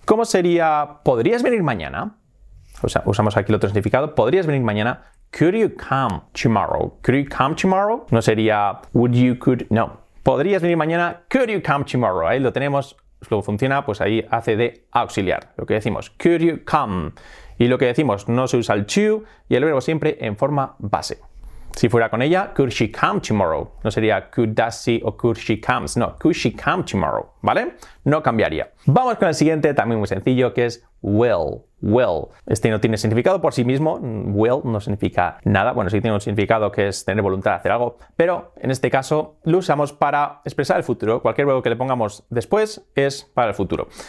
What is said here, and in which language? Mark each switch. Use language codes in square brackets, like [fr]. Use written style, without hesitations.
[es] ¿Cómo sería podrías venir mañana? O sea, usamos aquí el otro significado, podrías venir mañana, [en] could you come tomorrow, could you come tomorrow? [es] No sería would you could, no, podrías venir mañana, [en] could you come tomorrow, [es] ahí lo tenemos. Luego funciona, pues ahí hace de auxiliar. Lo que decimos, [en] could you come? [es] Y lo que decimos, no se usa el to y el verbo siempre en forma base. Si fuera con ella, [en] could she come tomorrow? [es] No sería could does she o could she comes. No, [en] could she come tomorrow, [es] ¿vale? No cambiaría. Vamos con el siguiente, también muy sencillo, que es will. Will. Este no tiene significado por sí mismo. Will no significa nada. Bueno, sí tiene un significado que es tener voluntad de hacer algo. Pero en este caso lo usamos para expresar el futuro. Cualquier verbo que le pongamos después es para el futuro.